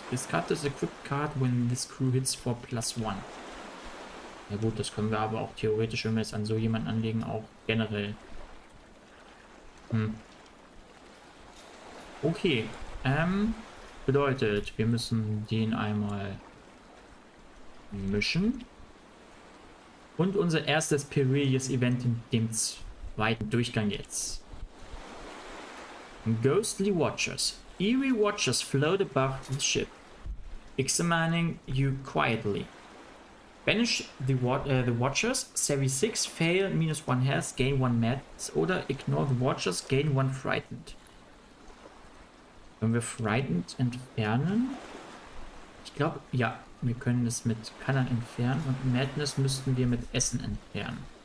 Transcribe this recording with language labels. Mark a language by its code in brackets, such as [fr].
[en] Discard this equipped card when this crew hits for plus one. [de] Ja gut, das können wir aber auch theoretisch, wenn wir es an so jemanden anlegen, auch generell. Okay. Bedeutet, wir müssen den einmal mischen. Und unser erstes Perilous Event in dem zweiten Durchgang jetzt. [en] Ghostly Watchers. Eerie Watchers float above the ship, examining you quietly. Banish the Watchers, Savvy 6, fail, minus 1 health, gain 1 mats, oder ignore the Watchers, gain 1 frightened. [de] Können wir frightened entfernen? Ich glaube, ja, wir können es mit Cunning entfernen und Madness müssten wir mit Essen entfernen.